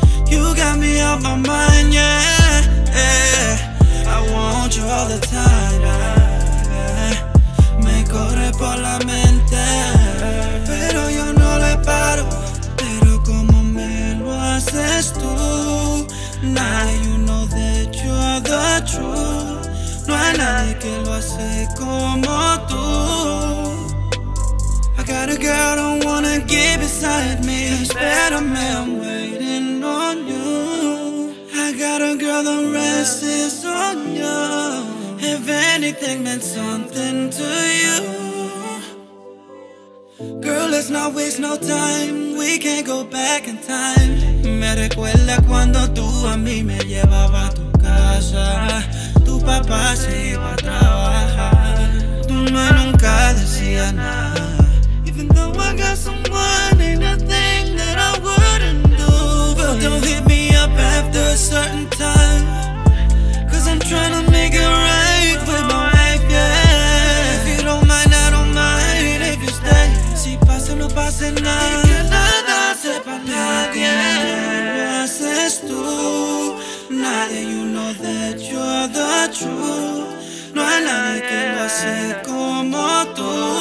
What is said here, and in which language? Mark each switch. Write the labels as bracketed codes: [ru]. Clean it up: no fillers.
[en] You got me on my mind, yeah, yeah. I want you all the time, yeah. [es] Me corre por la mente. Pero yo no le paro. Pero como me lo haces tú. [en] Now you know that you're the truth. [es] No hay nadie que lo hace como tú. [en] I got a girl, don't wanna get beside me. [es] Espérame, [en] I'm waiting on you. I got a girl, the rest is on you. If anything meant something to you, girl, let's not waste no time. We can't go back in time. [es] Me recuerda cuando tú a mí me llevaba a tu casa. Tu papá se iba a trabajar. Tu mamá nunca decía nada. [en] Even though I got someone, ain't nothing that I wouldn't do. But don't hit me up after a certain time. Cause I'm trying to make it right with my wife, yeah. If you don't mind, I don't mind if you stay. [es] Si pasa, no pasa nada. Y que nada sepa nadie. Pero como lo haces tú. Nadie, [en] you know that you're the truth. [es] No hay nadie que lo hace como tú.